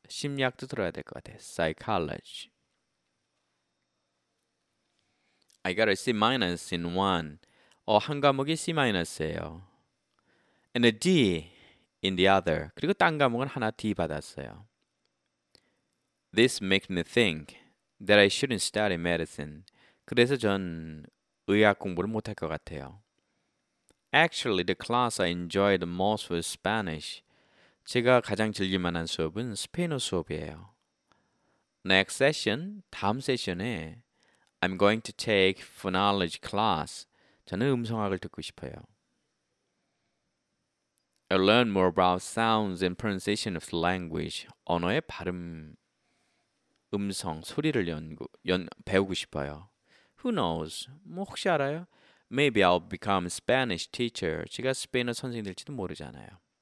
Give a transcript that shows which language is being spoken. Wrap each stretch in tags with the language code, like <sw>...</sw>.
<ko>심리학도 들어야 될 것 같아요.</ko> <en>Psychology. I got a C minus in one.</en> <ko>한 과목이 C 마이너스예요.</ko> <en>And a D in the other.</en> <ko>그리고 딴 과목은 하나 D 받았어요.</ko> <en>This makes me think that I shouldn't study medicine.</en> <ko>그래서 전 의학 공부를 못할 것 같아요.</ko> <en>Actually, the class I enjoyed the most was Spanish.</en> <ko>제가 가장 즐길 만한 수업은 스페인어 수업이에요.</ko> <en>Next session,</en> <ko>다음 세션에</ko> <en>I'm going to take phonology class.</en> <ko>저는 음성학을 듣고 싶어요.</ko> <en>I learn more about sounds and pronunciation of the language.</en> <ko>언어의 발음, 음성, 소리를 배우고 싶어요.</ko> <en>Who knows?</en> <ko>뭐 혹시 알아요?</ko> <en>Maybe I'll become a Spanish teacher.</en> <ko>제가 스페인어 선생이 될지도 모르잖아요.</ko>